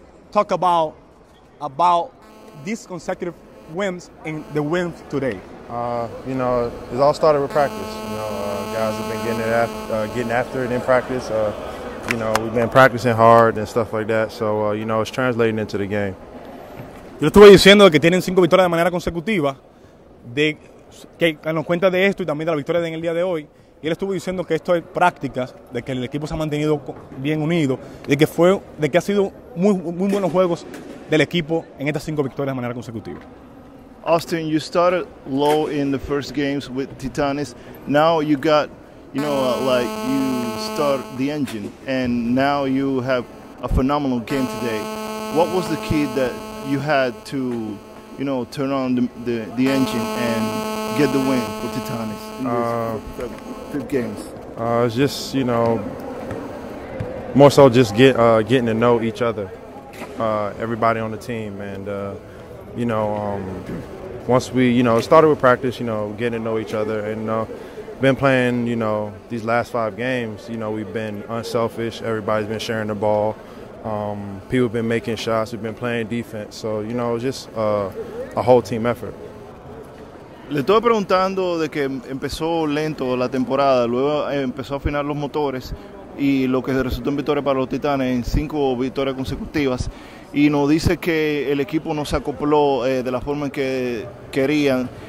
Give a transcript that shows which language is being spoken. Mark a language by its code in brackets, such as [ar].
[en] Talk about these consecutive wins and the win today. You know, it all started with practice. You know, guys have been getting after it in practice. You know, we've been practicing hard and stuff like that. So, you know, it's translating into the game. [es] Yo estuve diciendo que tienen cinco victorias de manera consecutiva, de que nos cuenta de esto y también de la victoria en el día de hoy. Y él estuvo diciendo que esto es prácticas, de que el equipo se ha mantenido bien unido, de que ha sido muy, muy buenos juegos del equipo en estas cinco victorias de manera consecutiva. [en] Austin, you started low in the first games with Titanes. Now you got, you know, like you start the engine, and now you have a phenomenal game today. What was the key that you had to, you know, turn on the engine and get the win for Titanes in those good games? It's just, you know, more so just getting to know each other, everybody on the team, and you know, once we, you know, started with practice, you know, getting to know each other, and been playing, you know, these last five games, you know, we've been unselfish. Everybody's been sharing the ball. People have been making shots. We've been playing defense. So, you know, just a whole team effort. [es] Le estoy preguntando de que empezó lento la temporada, luego empezó a afinar los motores y lo que resultó en victoria para los Titanes en cinco victorias consecutivas. Y nos dice que el equipo no se acopló de la forma en que querían.